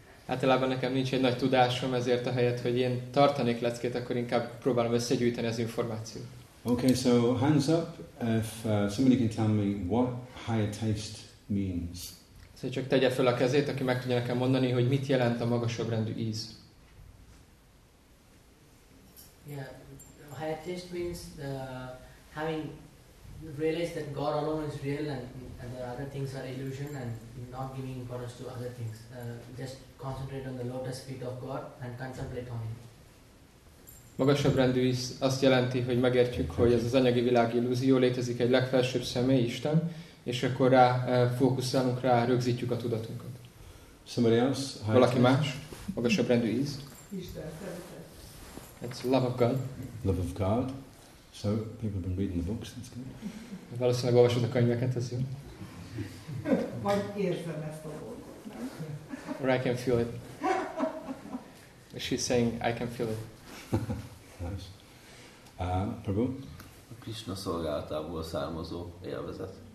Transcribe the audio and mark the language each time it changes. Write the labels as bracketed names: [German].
[Hungarian] Általában nekem nincs egy nagy tudásom, ezért a helyet, hogy én tartanék leckét, akkor inkább próbálom összegyűjteni az információt. [English] Okay, so hands up if somebody can tell me what higher taste means. [Hungarian] Szóval csak tegye fel a kezét, aki meg tudja nekem mondani, hogy mit jelent a magasabb rendű íz. [English] Yeah, higher taste means having realized that God alone is real and the other things are illusion and not giving importance to other things. Just concentrate on the lotus feet of God and contemplate on Him. [Hungarian] Magasabb rendű íz azt jelenti, hogy megértjük, hogy ez az anyagi világ illúzió, létezik egy legfelsőbb személy, Isten, és akkor rá fókuszálunk, rá rögzítjük a tudatunkat. [English] Somebody else? [Hungarian] Valaki más? Magasabb rendű íz? Isten, [English] it's love of God. Love of God. So, people have been reading the books, that's good. [Hungarian] Valószínűleg olvasod a könyveket, ez jó. Vagy érzem ezt a dolgot. [English] Or I can feel it. She's saying, I can feel it. Nice. Prabhu? [Hungarian] A Krishna szolgálatából származó élvezet.